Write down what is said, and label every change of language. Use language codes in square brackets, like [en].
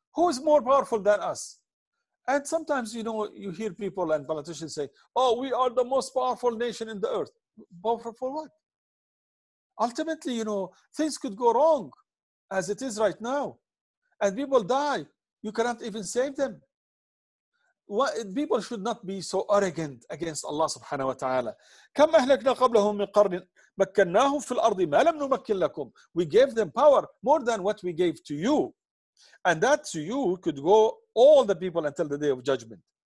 [en] Who is more powerful than us? And sometimes, you know, you hear people and politicians say, oh, we are the most powerful nation in the earth. Powerful for what? Ultimately, you know, things could go wrong as it is right now. And people die. You cannot even save them. What, people should not be so arrogant against Allah subhanahu wa ta'ala. [ar] كم أهلكنا قبلهم من قرن مكناهم في الأرض ما لم نمكن لكم. [en] We gave them power more than what we gave to you. And that to you could go all the people until the day of judgment.